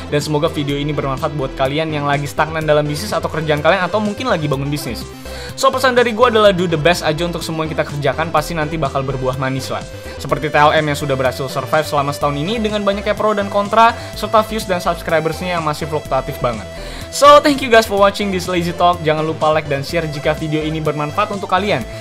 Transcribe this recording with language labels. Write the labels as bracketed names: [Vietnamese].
[Indonesian] Dan semoga video ini bermanfaat buat kalian yang lagi stagnan dalam bisnis atau kerjaan kalian atau mungkin lagi bangun bisnis. So, pesan dari gue adalah [English] do the best [Indonesian] aja untuk semua yang kita kerjakan, pasti nanti bakal berbuah manis lah. Seperti TLM yang sudah berhasil survive selama setahun ini dengan banyaknya pro dan kontra, serta views dan subscribersnya yang masih fluktuatif banget. [English] So, thank you guys for watching this Lazy Talk. [Indonesian] Jangan lupa like dan share jika video ini bermanfaat untuk kalian.